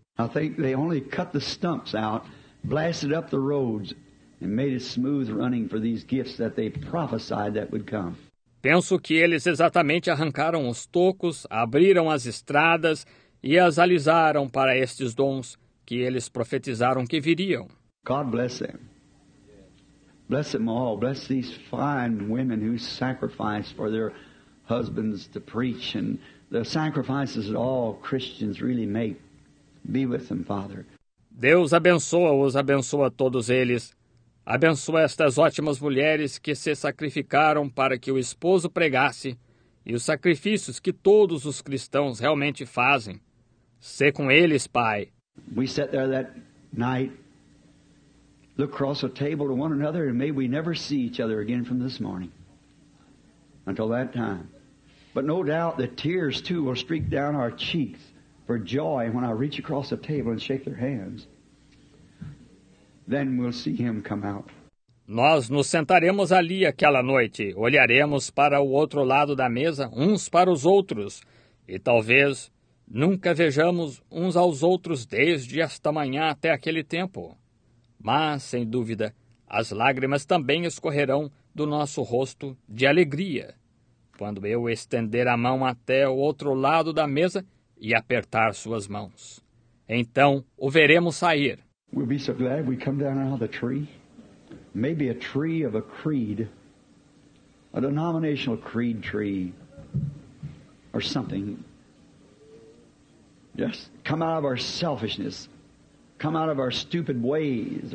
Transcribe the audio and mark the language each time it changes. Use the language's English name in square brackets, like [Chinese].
[English] I think they only cut the stumps out, blasted up the roads, and made a smooth running for these gifts that they prophesied that would come. [Portuguese] Penso que eles exatamente arrancaram os tocos, abriram as estradas e as alisaram para estes dons que eles profetizaram que viriam. [English] God bless them. Bless them all. Bless these fine women who sacrificed for their husbands to preach and the sacrifices that all Christians really make. Be with them, Father. [Portuguese] Deus abençoa-os, abençoa todos eles. Abençoa estas ótimas mulheres que se sacrificaram para que o esposo pregasse e os sacrifícios que todos os cristãos realmente fazem. Sê com eles, Pai. [English] We sat there that night, looked across a table to one another, and may we never see each other again from this morning until that time. But no doubt the tears, too, will streak down our cheeks for joy when I reach across the table and shake their hands. Then we'll see him come out. [Portuguese] Nós nos sentaremos ali aquela noite, olharemos para o outro lado da mesa, uns para os outros, e talvez nunca vejamos uns aos outros desde esta manhã até aquele tempo. Mas, sem dúvida, as lágrimas também escorrerão do nosso rosto de alegria quando eu estender a mão até o outro lado da mesa e apertar suas mãos. Então, o veremos sair. [English] We'll be so glad we come down out of the tree. Maybe a tree of a creed. A denominational creed tree. Or something. Just come out of our selfishness. Come out of our stupid ways.